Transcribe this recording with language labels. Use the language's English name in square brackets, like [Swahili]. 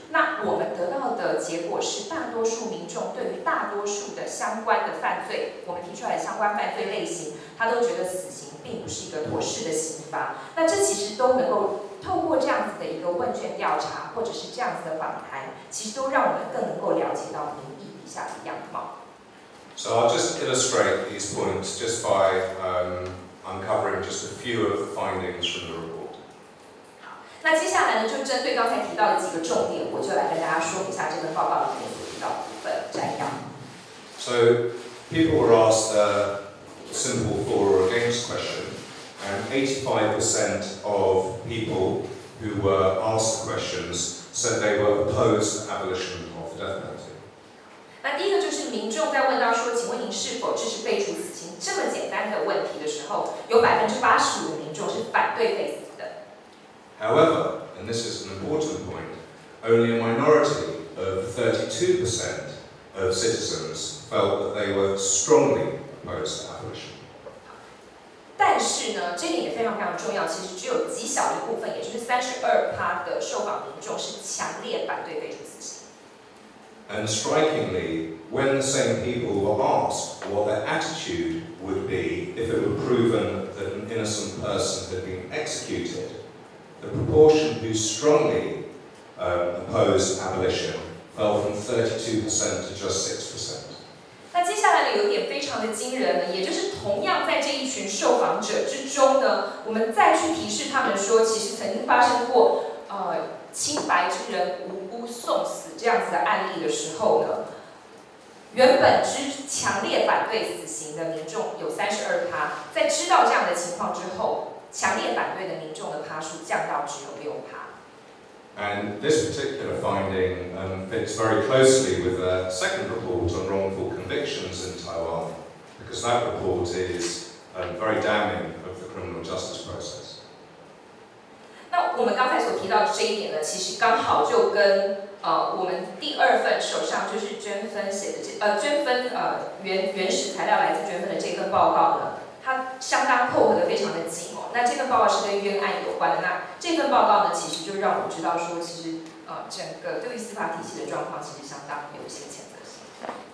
[Chinese] 那我们得到的结果是，大多数民众对于大多数的相关的犯罪，我们提出来的相关犯罪类型，他都觉得死刑并不是一个妥适的刑罚。那这其实都能够。透过这样子的一个问卷调查，或者是这样子的访谈，其实都让我们更能够了解到民意底下的样貌。 [English] So I'll just illustrate these points just by uncovering just a few of the findings from the report. [Chinese] 好，那接下来呢，就针对刚才提到的几个重点，我就来跟大家说一下这份报告里面所提到的部分摘要。 [English] So people were asked a simple for or against question. And 85% of people who were asked the questions said they were opposed to abolition of the death penalty. [Chinese] 那第一个就是民众在问到说，请问您是否支持废除死刑这么简单的问题的时候，有85%的民众是反对废死的。 [English] However, and this is an important point, only a minority of 32% of citizens felt that they were strongly opposed to abolition. [Chinese] 但是呢，这点也非常非常重要。其实只有极小一部分，也就是32%的受访民众是强烈反对废除死刑。 [English] And strikingly, when the same people were asked what their attitude would be if it were proven that an innocent person had been executed, the proportion who strongly opposed abolition fell from 32% to just 6%. [Chinese] 那接下来的有一点非常的惊人呢，也就是同样在这一群受访者之中呢，我们再去提示他们说，其实曾经发生过清白之人无辜送死这样子的案例的时候呢，原本之强烈反对死刑的民众有32%，在知道这样的情况之后，强烈反对的民众的趴数降到只有6%。 [English] And this particular finding fits very closely with a second report on wrongful convictions in Taiwan, because that report is very damning of the criminal justice process. [Chinese] 那我们刚才所提到的这一点呢，其实刚好就跟我们第二份手上就是捐分写的原始材料来自捐分的这份报告呢，它相当扣合的非常的紧哦。那这份报告是跟冤案有关的，那这份报告呢，其实就让我们知道说，其实整个对于司法体系的状况其实相当有些谴责性。